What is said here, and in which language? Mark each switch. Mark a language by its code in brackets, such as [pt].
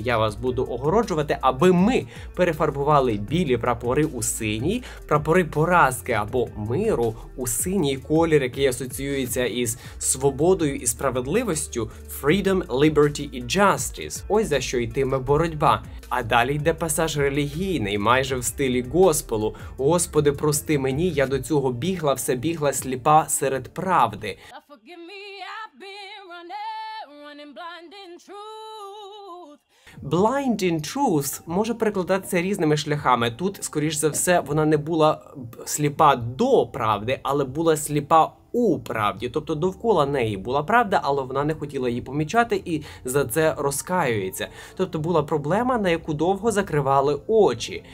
[uk] Я вас буду огороджувати, аби ми перефарбували білі прапори у синій, прапори поразки або миру у синій колір, який асоціюється із свободою і справедливістю, [en] freedom, liberty [uk] і justice. Ось за що йтиме боротьба. А далі йде пасаж релігійний, майже в стилі госпелу. Господи, прости мені, я до цього бігла, все бігла сліпа серед правди. [en] Now forgive me, I've been running blind in truth. [uk] Blind in truth може перекладатися різними шляхами. Тут, скоріш за все, вона не була сліпа до правди, але була сліпа у правді. Тобто довкола неї була правда, але вона не хотіла її помічати і за це розкаюється. Тобто була проблема, на яку довго закривали очі.